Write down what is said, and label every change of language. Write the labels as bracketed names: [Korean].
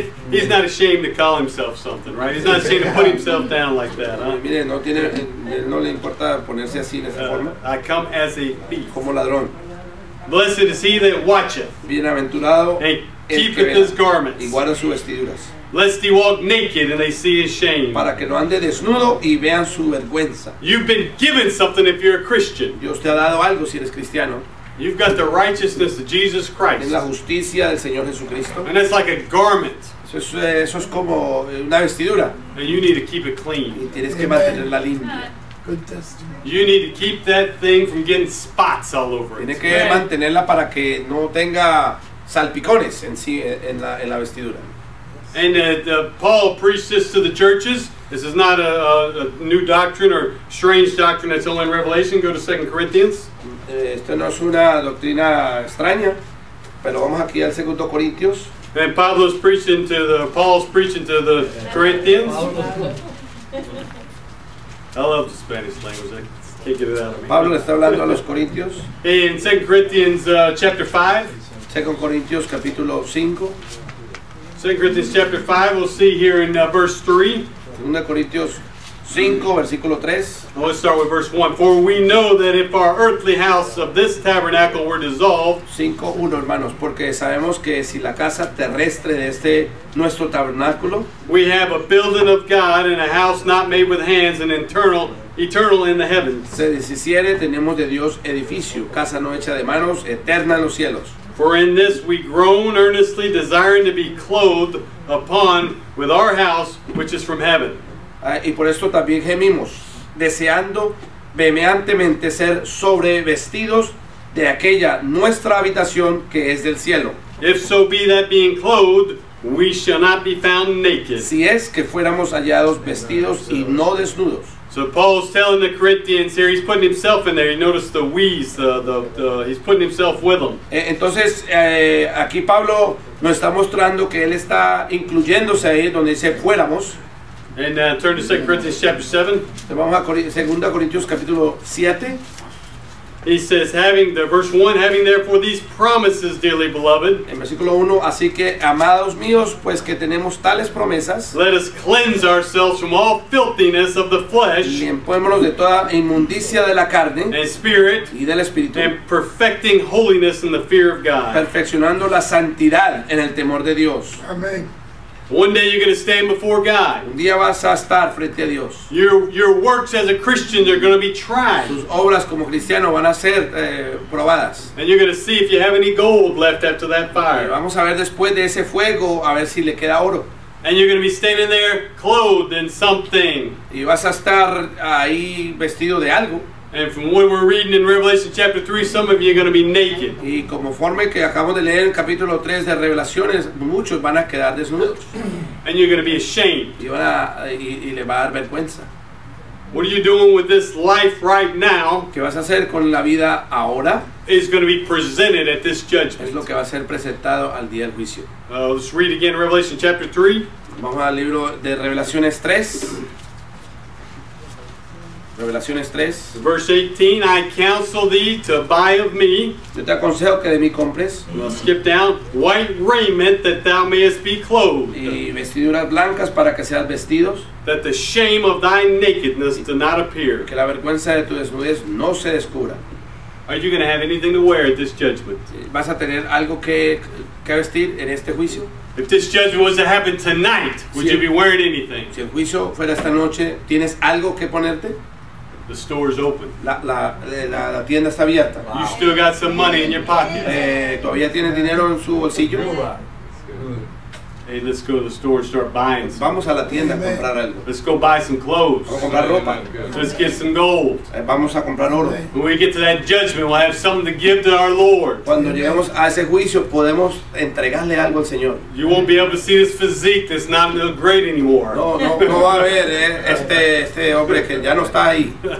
[English] He's not ashamed to call himself something, right? He's not ashamed to put himself down like that, huh? [Spanish] Mire, no le importa ponerse así en esa forma. [English] I come as a thief. [Spanish] Como ladrón. [English] Blessed is he that watcheth. [Spanish] Bienaventurado. [English] And keepeth his garments. [Spanish] Y guarda sus vestiduras. [English] Lest he walk naked and they see his shame. [Spanish] Para que no ande desnudo y vean su vergüenza. [English] You've been given something if you're a Christian. [Spanish] Dios te ha dado algo si eres cristiano. [English] You've got the righteousness of Jesus Christ. [Spanish] La justicia del Señor Jesucristo. [English] And it's like a garment. [Spanish] Eso es como una vestidura. [English] And you need to keep it clean. [Spanish] Y tienes que mantenerla limpia. [English] Good testimony. You need to keep that thing from getting spots all over it. [Spanish] Tiene que mantenerla para que no tenga salpicones en sí en la vestidura. [English] And Paul preached this to the churches. This is not a new doctrine or strange doctrine that's only in Revelation. Go to 2 Corinthians. [Spanish] Esto no es una doctrina extraña, pero vamos aquí al 2 Corintios. [English] And Pablo's preaching to the Paul's preaching to the Corinthians. I love the Spanish language. I can't get it out of me. [Spanish] Pablo está hablando a los Corintios. [English] In 2 Corinthians chapter 5. [Spanish] 2 Corintios capítulo 5. [English] 2 Corinthians chapter 5, we'll see here in verse 3. [Spanish] 2 Corintios 5, versículo 3. [English] Well, let's start with verse 1. For we know that if our earthly house of this tabernacle were dissolved. [Spanish] 5:1, hermanos, porque sabemos que si la casa terrestre de este nuestro tabernáculo. [English] We have a building of God and a house not made with hands and eternal in the heavens. [Spanish] Se deshiciere, tenemos de Dios edificio, casa no hecha de manos, eterna en los cielos. [English] For in this we groan earnestly, desiring to be clothed upon with our house, which is from heaven. [Spanish] Y por esto también gemimos, deseando vehementemente ser sobrevestidos de aquella nuestra habitación que es del cielo. [English] If so be that being clothed, we shall not be found naked. [Spanish] Si es que fuéramos hallados vestidos y no desnudos. [English] So Paul's telling the Corinthians here, he's putting himself in there. You notice the we's, he's putting himself with them. [Spanish] Entonces, aquí Pablo nos está mostrando que él está incluyéndose ahí donde dice fuéramos. [English] And turn to 2 Corinthians chapter 7. [Spanish] Vamos a 2 Corintios capítulo 7. [English] He says, having the verse 1, having therefore these promises, dearly beloved. [Spanish] En versículo 1, así que, amados míos, pues que tenemos tales promesas. [English] Let us cleanse ourselves from all filthiness of the flesh. [Spanish] Limpiémonos de toda inmundicia de la carne. [English] And spirit. [Spanish] Y del espíritu. [English] And perfecting holiness in the fear of God. [Spanish] Perfeccionando la santidad en el temor de Dios. Amén. [English] One day you're going to stand before God. [Spanish] Un día vas a estar frente a Dios. [English] Your works as a Christian are going to be tried. [Spanish] Tus obras como cristiano van a ser probadas. [English] And you're going to see if you have any gold left after that fire. [Spanish] Vamos a ver después de ese fuego a ver si le queda oro. [English] And you're going to be standing there clothed in something. [Spanish] Y vas a estar ahí vestido de algo. [English] And from what we're reading in Revelation chapter 3, some of you are going to be naked. [Spanish] Y conforme que acabo de leer el capítulo 3 de Revelaciones, muchos van a quedar desnudos. [English] And you're going to be ashamed. [Spanish] Y le va a dar vergüenza. [English] What are you doing with this life right now? [Spanish] ¿Qué vas a hacer con la vida ahora? [English] Is going to be presented at this judgment. [Spanish] Es lo que va a ser presentado al día del juicio. [English] Let's read again Revelation chapter 3. [Spanish] Vamos al libro de Revelaciones 3. Revelaciones 3. [English] Verse 18, I counsel thee to buy of me. [Spanish] Yo te aconsejo que de mí compres. [English] We'll skip down. White raiment that thou mayest be clothed. [Spanish] Y vestiduras blancas para que seas vestidos. [English] That the shame of thy nakedness do not appear. [Spanish] Que la vergüenza de tu desnudez no se descubra. [English] Are you going to have anything to wear at this judgment? [Spanish] ¿Vas a tener algo que vestir en este juicio? [English] If this judgment was to happen tonight, would you be wearing anything? [Spanish] Si el juicio fuera esta noche, ¿tienes algo que ponerte? [English] The store is open. [Spanish] La tienda está abierta. [English] Wow. You still got some money in your pocket. [Spanish] ¿Todavía tienes dinero en su bolsillo? [English] Hey, let's go to the store and start buying some. [Spanish] Vamos a la tienda a comprar algo. [English] Let's go buy some clothes. [Spanish] Vamos a comprar ropa. [English] Let's get some gold. [Spanish] Vamos a comprar oro. [English] When we get to that judgment, we'll have something to give to our Lord. [Spanish] Cuando lleguemos a ese juicio, podemos entregarle algo al Señor. [English] You won't be able to see this physique that's not great anymore. [Spanish] No va a ver este hombre que ya no está ahí.